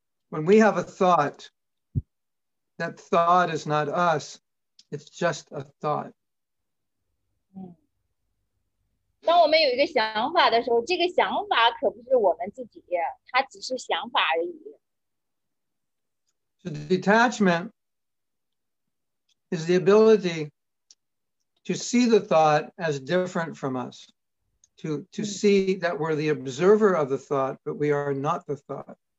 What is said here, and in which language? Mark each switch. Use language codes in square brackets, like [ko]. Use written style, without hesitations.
[en] When we have a thought, that thought is not us, it's just a thought. [zh] 当我们有一个想法的时候，这个想法可不是我们自己，它只是想法而已。 [en] So detachment is the ability to see the thought as different from us, to see that we're the observer of the thought, but we are not the thought.